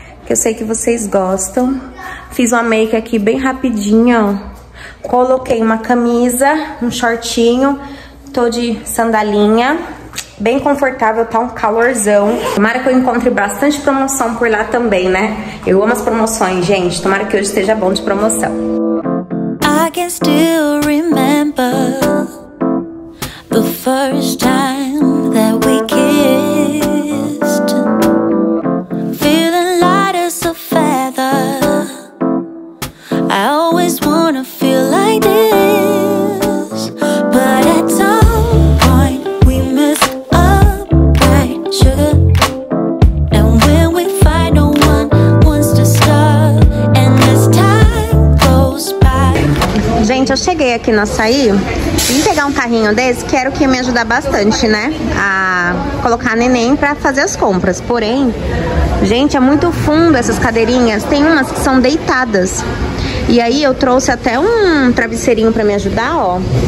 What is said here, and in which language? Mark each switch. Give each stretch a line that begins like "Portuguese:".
Portuguese: Que eu sei que vocês gostam. Fiz uma make aqui bem rapidinho, ó. Coloquei uma camisa, um shortinho, tô de sandalinha, bem confortável, tá um calorzão. Tomara que eu encontre bastante promoção por lá também, né? Eu amo as promoções, gente. Tomara que hoje esteja bom de promoção.
English: I can still remember the first time that we kissed. Feeling light as a feather. I always wanna feel like this, but at some point we miss a bright sugar. And when we fight, no one wants to stop. And as time goes by.
Portuguese: Gente, eu cheguei aqui no Açaí. Vim pegar um carrinho desse, quero que me ajudar bastante, né? A colocar a neném pra fazer as compras. Porém, gente, é muito fundo essas cadeirinhas. Tem umas que são deitadas. E aí eu trouxe até um travesseirinho pra me ajudar, ó.